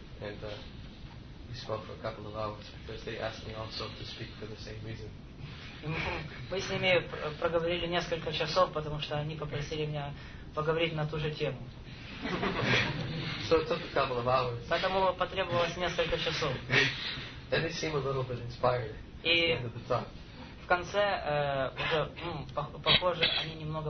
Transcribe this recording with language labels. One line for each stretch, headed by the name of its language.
English: And we spoke for a couple of hours, because they asked me also to speak for the same reason.
Russian: Мы с ними проговорили несколько часов, потому что они попросили меня поговорить на ту же тему.
English: So it took a couple of hours.
Russian: Поэтому потребовалось несколько часов.
English: And they seemed a little bit inspired at the end of the talk.
Russian: В конце уже похоже, они немного